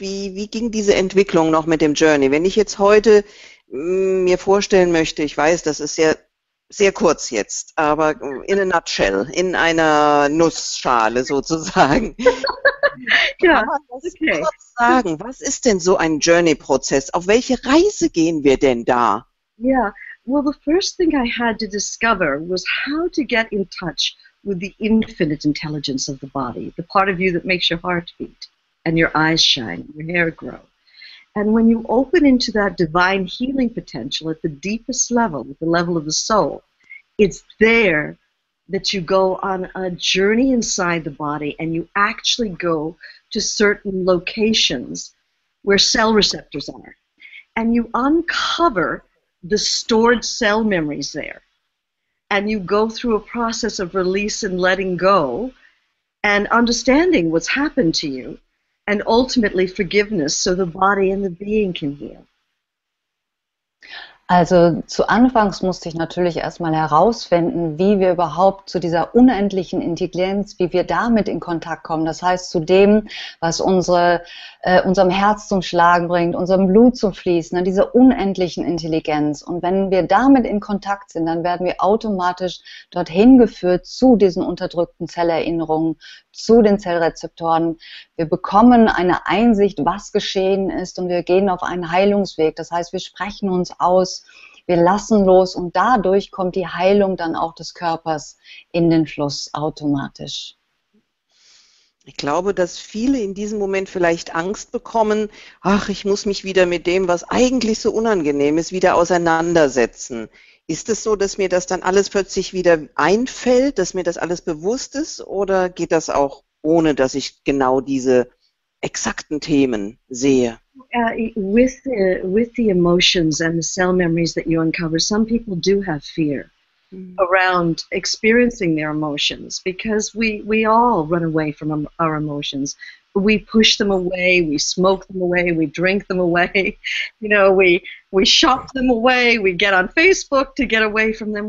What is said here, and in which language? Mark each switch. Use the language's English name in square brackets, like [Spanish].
[German] Wie ging diese Entwicklung noch mit dem Journey? Wenn ich jetzt heute mir vorstellen möchte, ich weiß, das ist sehr, sehr kurz jetzt, aber in a nutshell, in einer Nussschale sozusagen. Ja, okay. Kurz sagen, was ist denn so ein Journey-Prozess? Auf welche Reise gehen wir denn da? [English] Ja, well, the first thing I had to discover was how to get in touch with the infinite intelligence of the body, the part of you that makes your heart beat and your eyes shine, your hair grow. And when you open into that divine healing potential at the deepest level, at the level of the soul, it's there that you go on a journey inside the body and you actually go to certain locations where cell receptors are. And you uncover the stored cell memories there. And you go through a process of release and letting go and understanding what's happened to you and ultimately forgiveness so the body and the being can heal. [German] Also zu Anfangs musste ich natürlich erstmal herausfinden, wie wir überhaupt zu dieser unendlichen Intelligenz, wie wir damit in Kontakt kommen. Das heißt zu dem, was unserem Herz zum Schlagen bringt, unserem Blut zum Fließen, an dieser unendlichen Intelligenz. Und wenn wir damit in Kontakt sind, dann werden wir automatisch dorthin geführt zu diesen unterdrückten Zellerinnerungen, zu den Zellrezeptoren. Wir bekommen eine Einsicht, was geschehen ist und wir gehen auf einen Heilungsweg. Das heißt, wir sprechen uns aus, wir lassen los und dadurch kommt die Heilung dann auch des Körpers in den Fluss automatisch. Ich glaube, dass viele in diesem Moment vielleicht Angst bekommen, ach, ich muss mich wieder mit dem, was eigentlich so unangenehm ist, wieder auseinandersetzen. Ist es so, dass mir das dann alles plötzlich wieder einfällt, dass mir das alles bewusst ist, oder geht das auch ohne, dass ich genau diese exakten Themen sehe? [English] With the emotions and the cell memories that you uncover, some people do have fear around experiencing their emotions, because we all run away from our emotions. We push them away, we smoke them away, we drink them away, you know, we shop them away, we get on Facebook to get away from them.